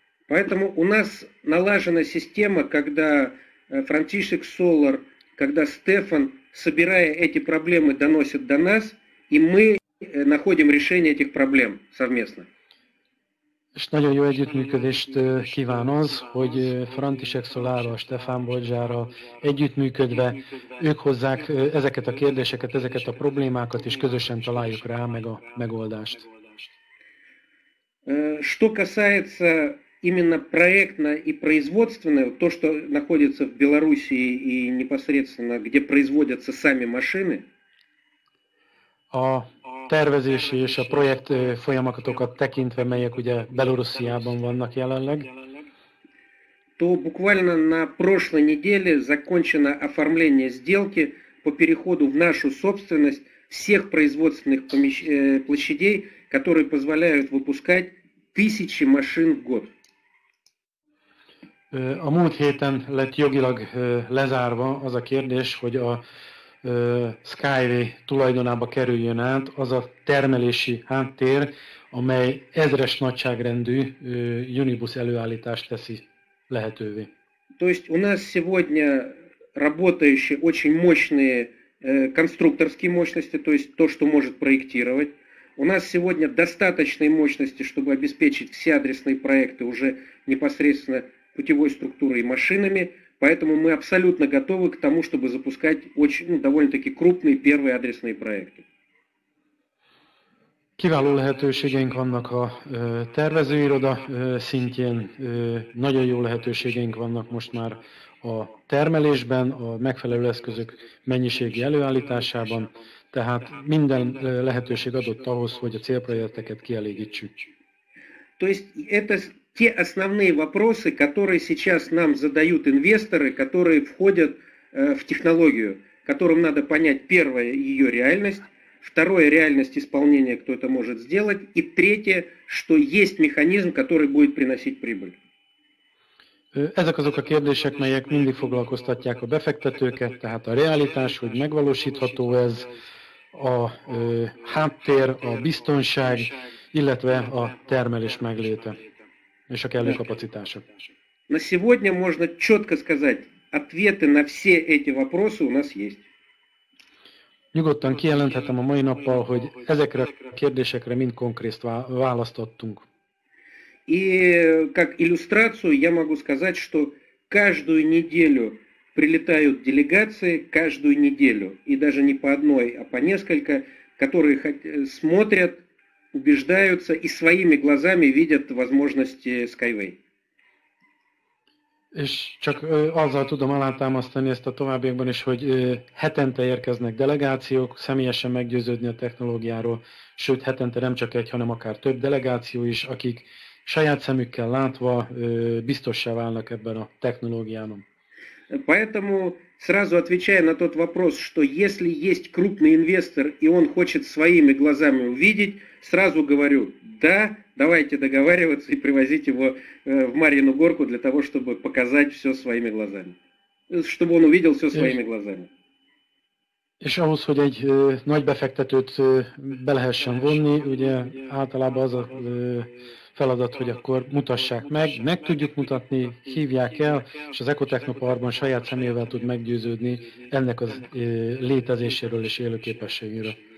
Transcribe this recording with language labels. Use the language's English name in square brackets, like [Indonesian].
[Russian] Поэтому у нас налажена система, когда Франтишек Солар, когда Стефан, собирая эти проблемы, доносит до нас, и мы находим решение этих проблем совместно. [Hungarian] És nagyon jó együttműködést kíván az, hogy František Szolára, Stefán Bodzsára együttműködve ők hozzák ezeket a kérdéseket, ezeket a problémákat, és közösen találjuk rá meg a megoldást. [Russian] Что касается именно проектно и производственно, то, что находится в Белоруссии и непосредственно, где производятся сами машины. [Hungarian] A tervezési és a projekt folyamatokat tekintve, melyek ugye Belorussziában vannak jelenleg. [Russian] То буквально на прошлой неделе закончено оформление сделки по переходу в нашу собственность всех производственных площадей, которые позволяют выпускать тысячи машин в год. [Hungarian] A múlt héten lett jogilag lezárva az a kérdés, hogy a Skyway tulajdonába kerüljön át az a termelési háttér, amely ezres nagyságrendű Unibus előállítást teszi lehetővé. [Russian] То есть у нас сегодня работающие очень мощные конструкторские мощности, то есть то, что может проектировать. У нас сегодня достаточные мощности, чтобы обеспечить все адресные проекты уже непосредственно путевой структурой и машинами, поэтому мы абсолютно готовы к тому, чтобы запускать очень, ну, довольно-таки крупные первые адресные проекты. [Hungarian] Kiváló lehetőségeink vannak a tervezőiroda szintjén, nagyon jó lehetőségeink vannak most már a termelésben, a megfelelő eszközök mennyiségi előállításában, tehát minden lehetőség adott ahhoz, hogy a célprojekteket kielégítsük. [Russian] То есть это те основные вопросы, которые сейчас нам задают инвесторы, которые входят в технологию, которым надо понять первое ее реальность, второе реальность исполнения, кто это может сделать, и третье, что есть механизм, который будет приносить прибыль. [Hungarian] Ezek azok a kérdések, melyek mindig foglalkoztatják a befektetőket, tehát a realitás, hogy megvalósítható ez, a háttér, a biztonság, illetve a termelés megléte. És a kellő kapacitások. [Russian] На сегодня можно четко сказать, ответы на все эти вопросы у нас есть. [Hungarian] Nyugodtan kijelenthetem a mai nappal, hogy ezekre a kérdésekre mind konkrét választ adtunk. [Russian] И как иллюстрацию я могу сказать, что каждую неделю прилетают делегации, каждую неделю, и даже не по одной, а по несколько, которые смотрят, убеждаются и своими глазами видят возможности Skyway. [Hungarian] És csak azzal tudom alátámasztani ezt a továbbiakban is, hogy hetente érkeznek delegációk, személyesen meggyőződni a technológiáról, sőt hetente nem csak egy, hanem akár több delegáció is, akik saját szemükkel látva biztossá válnak ebben a technológiában. [Russian] Поэтому Сразу отвечая на тот вопрос, что если есть крупный инвестор и он хочет своими глазами увидеть, сразу говорю, да, давайте договариваться и привозить его в Марьину Горку для того, чтобы показать все своими глазами. Чтобы он увидел все своими глазами. [Hungarian] És ahhoz, hogy egy nagy befektetőt be lehessen vonni, ugye általában az a feladat, hogy akkor mutassák meg, meg tudjuk mutatni, hívják el, és az Ekotechnoparkban saját szemével tud meggyőződni ennek az létezéséről és élőképességéről.